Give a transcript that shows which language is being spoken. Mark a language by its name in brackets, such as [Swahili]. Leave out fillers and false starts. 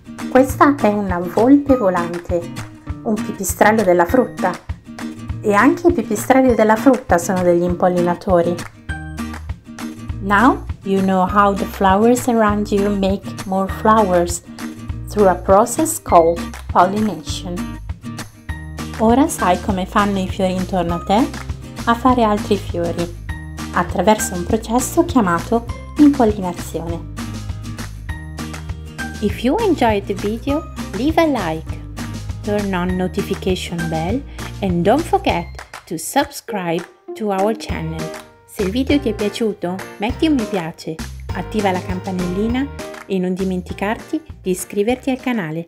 [Italian] Questa è una volpe volante, un pipistrello della frutta. E anche i pipistrelli della frutta sono degli impollinatori. [English] Now you know how the flowers around you make more flowers through a process called pollination. [Italian] Ora sai come fanno i fiori intorno a te a fare altri fiori, attraverso un processo chiamato impollinazione. [English] If you enjoyed the video, leave a like, turn on notification bell and don't forget to subscribe to our channel. [Italian] Se il video ti è piaciuto, metti un mi piace, attiva la campanellina e non dimenticarti di iscriverti al canale.